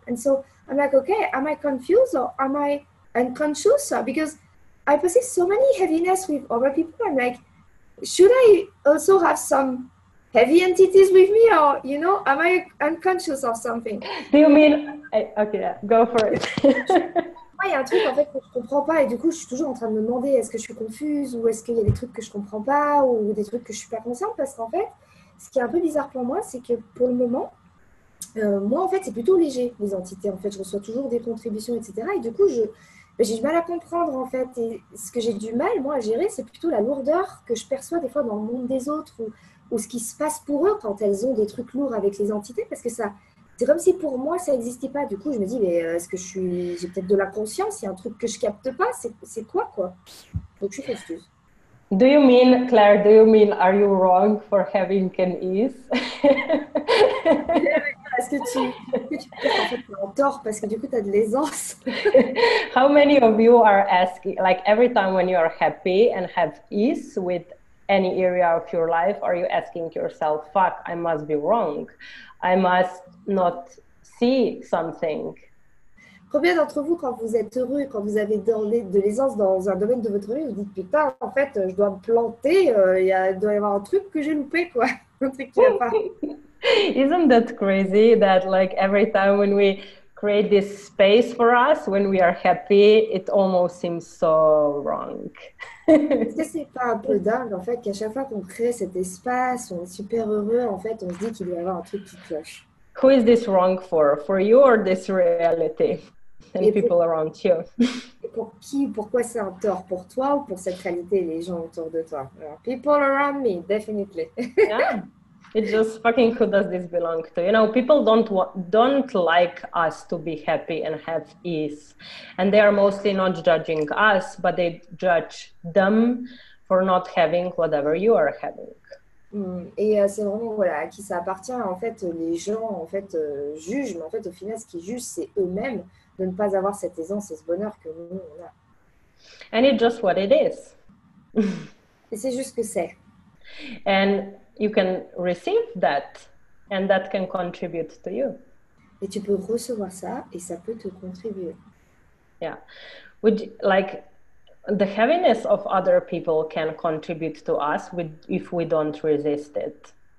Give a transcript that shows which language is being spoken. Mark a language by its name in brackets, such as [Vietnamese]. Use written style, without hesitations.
[English] And so I'm like, okay, am I confused or am I unconscious? Because I perceive so many heaviness with other people. I'm like, should I also have some heavy entities with me or, you know, am I unconscious or something? Do you mean, okay, yeah, go for it. [French] Il y a un truc en fait que je ne comprends pas et du coup je suis toujours en train de me demander est-ce que je suis confuse ou est-ce qu'il y a des trucs que je ne comprends pas ou des trucs que je ne suis pas consciente parce qu'en fait ce qui est un peu bizarre pour moi c'est que pour le moment moi en fait c'est plutôt léger les entités en fait je reçois toujours des contributions etc et du coup j'ai du mal à comprendre en fait et ce que j'ai du mal moi à gérer c'est plutôt la lourdeur que je perçois des fois dans le monde des autres ou ce qui se passe pour eux quand elles ont des trucs lourds avec les entités parce que ça... C'est comme si pour moi ça n'existait pas. Du coup, je me dis, mais est-ce que j'ai peut-être de la conscience? Il y a un truc que je capte pas. C'est quoi, quoi? Donc, je suis confuse. [English] Do you mean, Claire? Do you mean, are you wrong for having an ease? [French] Est-ce que tu en tort parce que du coup, tu as de l'aisance? [English] How many of you are asking, like every time when you are happy and have ease with any area of your life, are you asking yourself, fuck, I must be wrong? I must not see something. [French] Combien d'entre vous, quand vous êtes heureux, quand vous avez de l'aisance dans un domaine de votre vie, vous dites, putain, en fait, je dois me planter, il doit y avoir un truc que j'ai loupé, quoi. Un truc qui n'y a pas. [English] Isn't that crazy that, like, every time when we create this space for us, when we are happy, it almost seems so wrong. [French] Est-ce que c'est pas un peu dingue, en fait, qu'à chaque fois qu'on crée cet espace, on est super heureux, en fait, on se dit qu'il doit y avoir un truc qui cloche. [English] Who is this wrong for? For you or this reality and people around you? [French] Pour qui? Pourquoi c'est un tort? Pour toi ou pour cette réalité et les gens autour de toi? [English] People around me, definitely. Yeah. It's just fucking who does this belong to? You know, people don't like us to be happy and have ease. And they are mostly not judging us, but they judge them for not having whatever you are having. [French] Et c'est vraiment voilà, à qui ça appartient. En fait, les gens en fait, jugent, mais en fait, au final, ce qu'ils jugent, c'est eux-mêmes de ne pas avoir cette aisance et ce bonheur que nous, on a. [English] And it's just what it is. [French] Et c'est juste ce que c'est. [English] And you can receive that, and that can contribute to you. [French] Et tu peux recevoir ça, et ça peut te contribuer. [English] Yeah. Would you, like, the heaviness of other people can contribute to us with, if we don't resist it.